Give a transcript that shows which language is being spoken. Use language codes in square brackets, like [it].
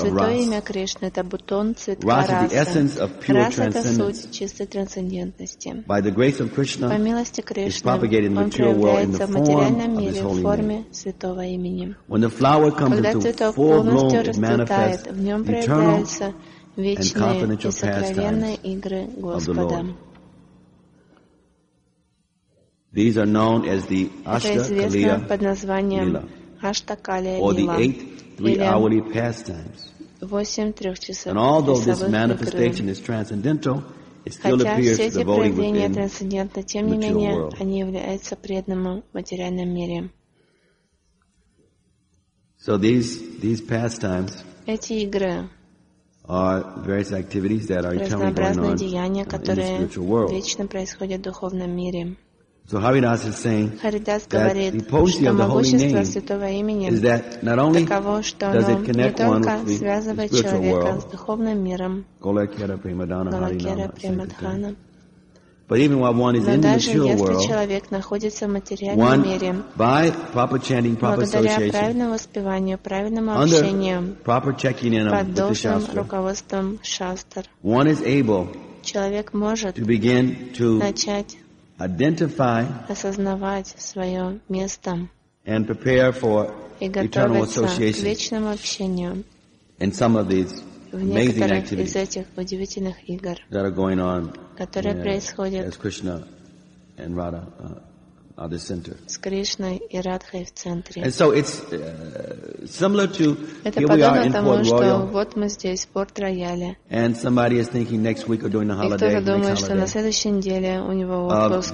[ru] Святое имя Кришны — это бутон цветка расы. Раса — [en] the essence of pure transcendence. [ru] Это суть чистой трансцендентности. [en] By the grace of Krishna, [ru] по милости Кришны, [en] is propagated in the pure world in the form of His holy name. [ru] Святого имени. [en] When the flower comes [ru] Когда [en] into full bloom, it manifests [ru] в нем [en] eternal and confidential pastimes of the Lord. These are known as the Ashta Kaliya Or the eight three-hourly pastimes. And although this manifestation is transcendental, it still appears to the devotee within the material world. [ru] Тем не менее, они являются преданными в материальном мире. [en] So these pastimes are various activities that are eternally going on in the spiritual world. [ru] Вечно происходят в духовном мире. [en] So Haridas is saying Haridas that the potency of the holy name is that not only does it connect one with the spiritual world, Golakera Premadana Harinama, but even while one is in the material world, one, by proper chanting, proper association, under proper checking in of the Shastra, one is able [ru] человек может [en] to begin to [ru] начать [en] identify [ru] осознавать свое место [en] and prepare for eternal association [ru] к вечному общению [en] in some of these [ru] в [en] amazing activities [ru] из этих удивительных игр, [en] that are going on [ru] которые происходят [en] as Krishna and Radha are the center. [ru] С Кришной и Радхой в центре. [en] And so it's similar to [ru] Это [en] here we are in [ru] тому, [en] Port Royal. [ru] Вот мы здесь, в Порт Рояле. [en] And somebody is thinking next week or during the holiday. [ru] И кто-то думает, что на следующей неделе у него отпуск.